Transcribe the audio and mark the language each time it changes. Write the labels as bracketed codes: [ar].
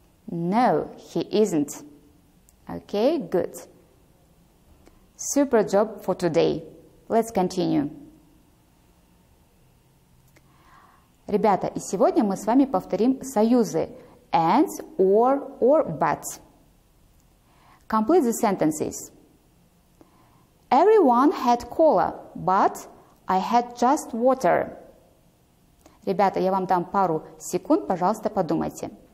[en] No, he isn't. Okay, good. Super job for today. Let's continue. [ru] Ребята, и сегодня мы с вами повторим союзы and, or, but. [en] Complete the sentences. Everyone had cola, but I had just water. [ru] Ребята, я вам дам пару секунд, пожалуйста, подумайте.